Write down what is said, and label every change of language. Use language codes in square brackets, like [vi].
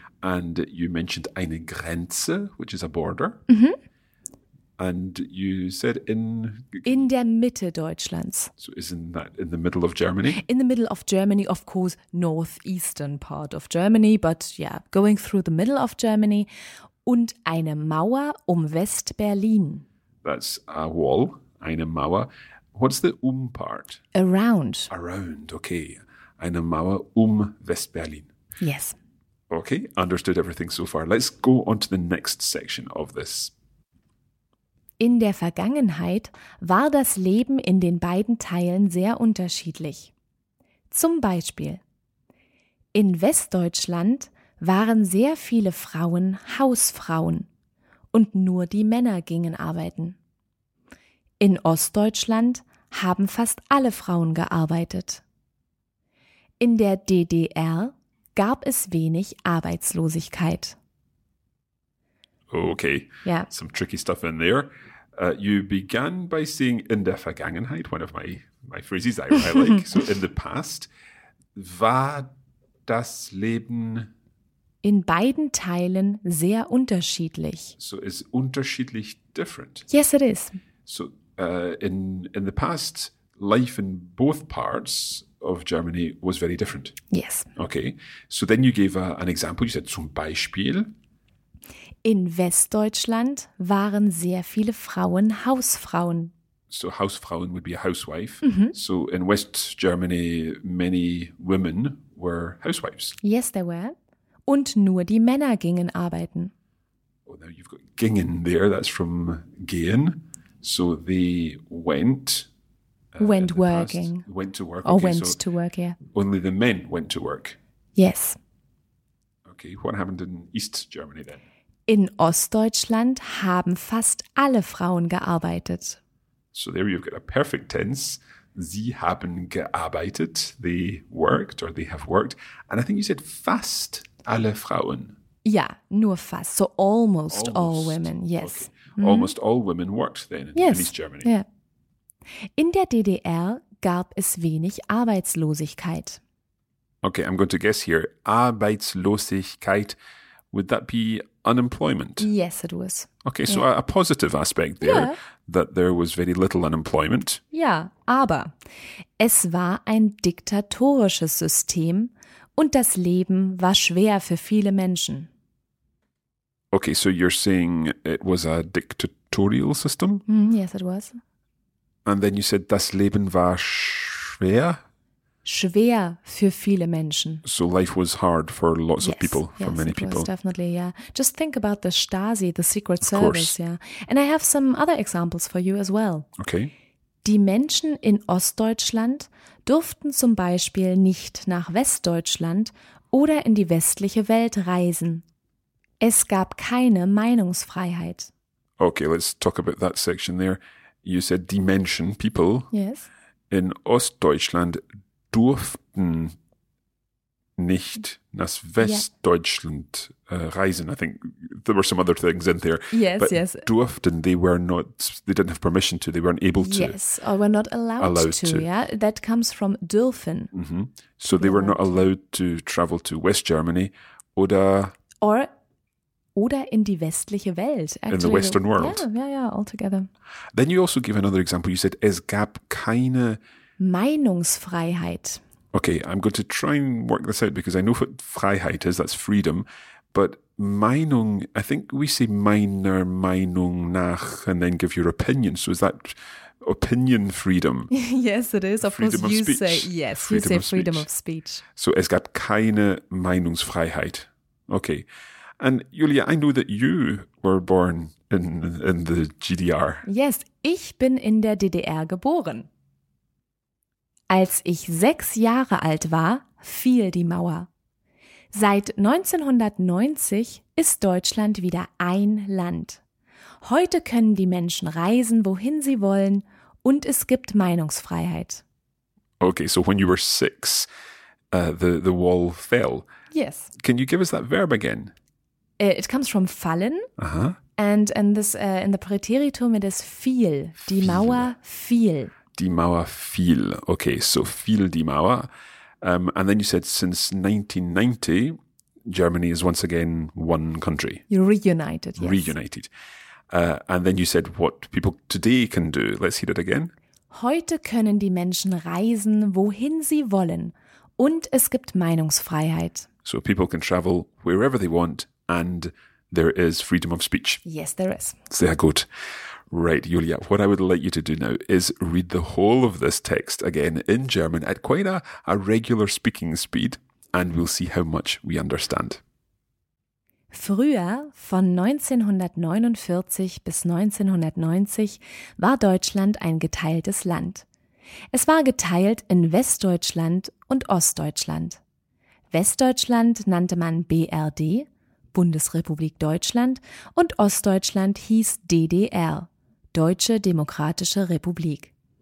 [en] And you mentioned [de] eine Grenze, [en] which is a border. Mm-hmm. And you said in... [de] in der Mitte Deutschlands. [en] So isn't that in the middle of Germany? In the middle of Germany, of course, northeastern part of Germany, but yeah, going through the middle of Germany... [de] und eine Mauer um West-Berlin. [en] That's a wall, [de] eine Mauer. [en] What's the part? Around. Around, okay. [de] Eine Mauer West-Berlin. [en] Yes. Okay, understood everything so far. Let's go on to the next section of this. [de] In der Vergangenheit war das Leben in den beiden Teilen sehr unterschiedlich. Zum Beispiel, in Westdeutschland waren sehr viele Frauen Hausfrauen und nur die Männer gingen arbeiten. In Ostdeutschland haben fast alle Frauen gearbeitet. In der DDR gab es wenig Arbeitslosigkeit. [en] Okay, yeah. Some tricky stuff in there. You began by saying [de] in der Vergangenheit, [en] one of my phrases I like. So in the past, [de] war das Leben in beiden Teilen sehr unterschiedlich. [en] So is unterschiedlich different. Yes, it is. So in the past, life in both parts of Germany was very different. Yes. Okay, so then you gave an example. You said [de] zum Beispiel. In Westdeutschland waren sehr viele Frauen Hausfrauen. [en] So Hausfrauen would be a housewife. Mm-hmm. So in West Germany, many women were housewives. Yes, they were. [de] Und nur die Männer gingen arbeiten. [en] Oh, now you've got gingen there. That's from gehen. So they went. Went working. Past. Went to work. Or okay, went so to work, yeah. Only the men went to work. Yes. Okay, what happened in East Germany then? [de] In Ostdeutschland haben fast alle Frauen gearbeitet. [en] So there you've got a perfect tense. [de] Sie haben gearbeitet. [en] They worked or they have worked. And I think you said [de] fast alle Frauen. Ja, nur fast. [en] So almost all women, yes. Okay. Mm-hmm. Almost all women worked then yes. in East Germany. Yeah. [de] In der DDR gab es wenig Arbeitslosigkeit. [en] Okay, I'm going to guess here. Arbeitslosigkeit, would that be unemployment? Yes, it was. Okay, so yeah. a positive aspect there, yeah. that there was very little unemployment. [de] Ja, aber es war ein diktatorisches System und das Leben war schwer für viele Menschen. [en] Okay, so you're saying it was a dictatorial system? Mm, yes, it was. And then you said [de] das Leben war schwer? Schwer für viele Menschen. [en] So life was hard for lots of people, for many people. Yes, definitely, yeah. Just think about the Stasi, the Secret Service, yeah. And I have some other examples for you as well. Okay. [de] Die Menschen in Ostdeutschland durften zum Beispiel nicht nach Westdeutschland oder in die westliche Welt reisen. Es gab keine Meinungsfreiheit. [en] Okay, let's talk about that section there. You said [de] die Menschen, [en] people. Yes. [de] In Ostdeutschland durften nicht nach Westdeutschland reisen. [en] I think there were some other things in there. Yes, but yes. Durften, they were not, they didn't have permission to, they weren't able to. Yes, or were not allowed to, yeah. That comes from dürfen. Mm-hmm. So they were not allowed to travel to West Germany oder. [de] Oder in die westliche Welt. [en] Actually. In the Western world. Yeah, altogether. Then you also give another example. You said, [de] es gab keine Meinungsfreiheit. [en] Okay, I'm going to try and work this out because I know what Freiheit is, that's freedom. But Meinung, I think we say [de] meiner Meinung nach [en] and then give your opinion. So is that opinion freedom? Yes, it is. Of freedom course, you speech. Say, yes, freedom you say of freedom of speech. [de] So es gab keine Meinungsfreiheit. [en] Okay. And Julia, I know that you were born in the GDR. [de] Yes, ich bin in der DDR geboren. Als ich 6 Jahre alt war, fiel die Mauer. Seit 1990 ist Deutschland wieder ein Land. Heute können die Menschen reisen, wohin sie wollen, und es gibt Meinungsfreiheit. [en] Okay, so when you were 6, the wall fell. Yes. Can you give us that verb again? It comes from fallen, uh-huh. and this in the Präteritum it is fiel. [de] Die Mauer fiel. Die Mauer fiel. Okay, so fiel die Mauer. [en] And then you said since 1990, Germany is once again one country. Reunited, yes. Reunited. And then you said what people today can do. Let's hear it again. [de] Heute können die Menschen reisen, wohin sie wollen. Und es gibt Meinungsfreiheit. [en] So people can travel wherever they want. And there is freedom of speech. Yes, there is. [de] Sehr gut. [en] Right, Julia, what I would like you to do now is read the whole of this text again in German at quite a regular speaking speed, and we'll see how much we understand. [de] Früher, von 1949 bis 1990, war Deutschland ein geteiltes Land. Es war geteilt in Westdeutschland und Ostdeutschland. Westdeutschland nannte man BRD, Bundesrepublik Deutschland, und Ostdeutschland hieß DDR, Deutsche Demokratische Republik.